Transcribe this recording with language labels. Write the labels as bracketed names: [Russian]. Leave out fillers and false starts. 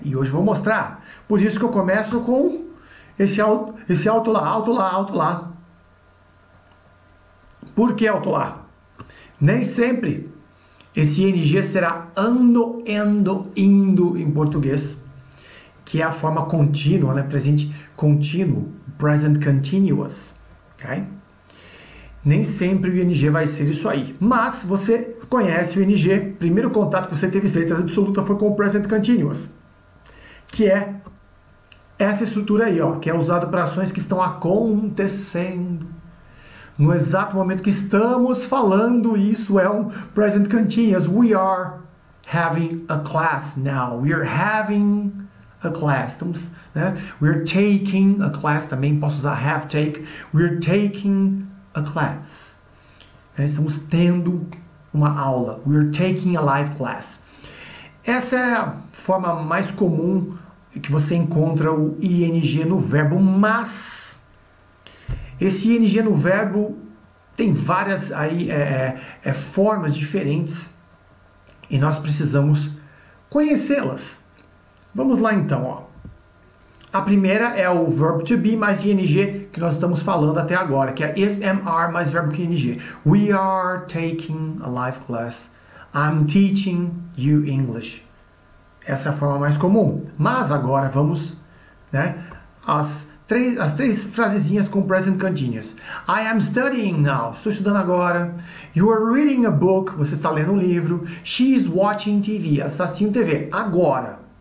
[Portuguese] E hoje vou mostrar. Por isso que eu começo com esse alto lá, alto lá, alto lá. Por que alto lá? Nem sempre esse ING será ando, endo, indo em português, que é a forma contínua, né? Presente contínuo, present continuous. [English] Okay? [Portuguese] Nem sempre o ING vai ser isso aí. Mas você conhece o ING, primeiro contato que você teve certeza absoluta foi com o Present Continuous, que é essa estrutura aí, ó, que é usado para ações que estão acontecendo. No exato momento que estamos falando, isso é um Present Continuous. [English] We are having a class now. We are having a class. [Portuguese] Estamos, né? [English] We are taking a class. [Portuguese] Também posso usar have take. [English] We are taking a class. [Portuguese] Estamos tendo uma aula. [English] We're taking a live class. [Portuguese] Essa é a forma mais comum que você encontra o ING no verbo, mas esse ING no verbo tem várias aí formas diferentes e nós precisamos conhecê-las. Vamos lá então, ó. A primeira é o verbo to be mais ING que nós estamos falando até agora, que é is, am, are mais verbo que ING. [English] We are taking a live class. I'm teaching you English. [Portuguese] Essa é a forma mais comum. Mas agora vamos, né, as três frasezinhas com present continuous. [English] I am studying now. [Portuguese] Estou estudando agora. [English] You are reading a book. [Portuguese] Você está lendo um livro. [English] She is watching TV. [Portuguese] Ela está assistindo TV. Agora.